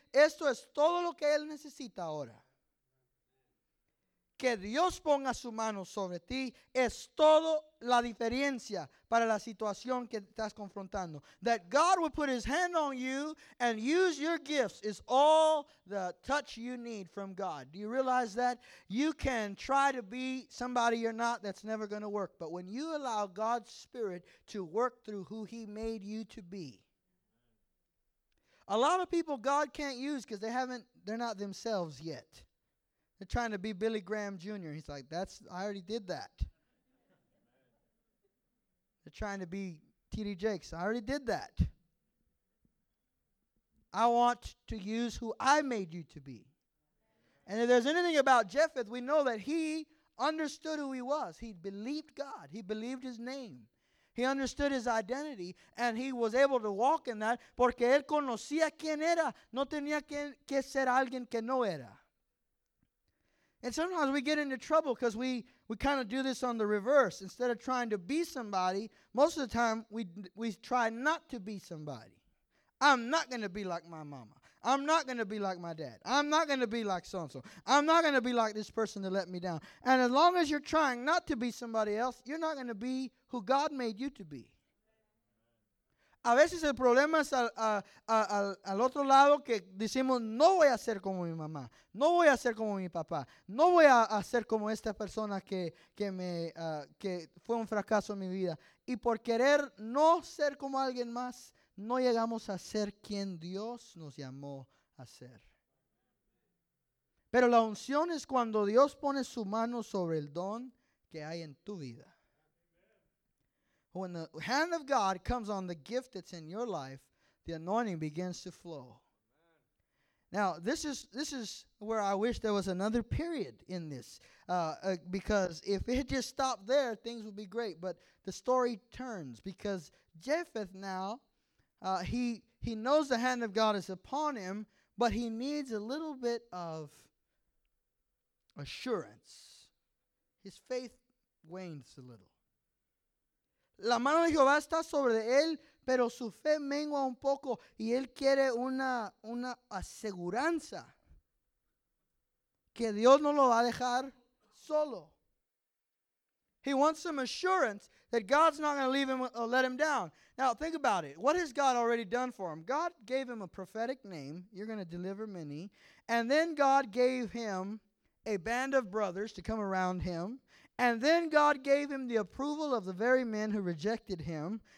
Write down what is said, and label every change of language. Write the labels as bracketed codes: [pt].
[es] Esto es todo lo que él necesita ahora. Que Dios ponga su mano sobre ti es todo la diferencia para la situación que estás confrontando. [en] That God will put his hand on you and use your gifts is all the touch you need from God. Do you realize that? You can try to be somebody you're not, that's never going to work. But when you allow God's Spirit to work through who he made you to be. A lot of people God can't use because they're not themselves yet. They're trying to be Billy Graham Jr. He's like, I already did that. They're trying to be T.D. Jakes. I already did that. I want to use who I made you to be. And if there's anything about Jephthah, we know that he understood who he was. He believed God. He believed his name. He understood his identity, and he was able to walk in that [es] porque él conocía quién era. No tenía que ser alguien que no era. [en] And sometimes we get into trouble because we kind of do this on the reverse. Instead of trying to be somebody, most of the time we try not to be somebody. I'm not going to be like my mama. I'm not going to be like my dad. I'm not going to be like so-and-so. I'm not going to be like this person to let me down. And as long as you're trying not to be somebody else, you're not going to be who God made you to be. [es] A veces el problema es al otro lado que decimos, no voy a ser como mi mamá, no voy a ser como mi papá, no voy a ser como esta persona que fue un fracaso en mi vida. Y por querer no ser como alguien más, no llegamos a ser quien Dios nos llamó a ser. Pero la unción es cuando Dios pone su mano sobre el don que hay en tu vida. [en] When the hand of God comes on the gift that's in your life, the anointing begins to flow. Now, this is where I wish there was another period in this. Because if it just stopped there, things would be great. But the story turns because Jephthah now, he knows the hand of God is upon him, but he needs a little bit of assurance. His faith wanes a little. [es] La mano de Jehová está sobre él, pero su fe mengua un poco y él quiere una aseguranza que Dios no lo va a dejar solo. [en] He wants some assurance that God's not going to leave him or let him down. Now, think about it. What has God already done for him? God gave him a prophetic name. You're going to deliver many. And then God gave him a band of brothers to come around him. And then God gave him the approval of the very men who rejected him.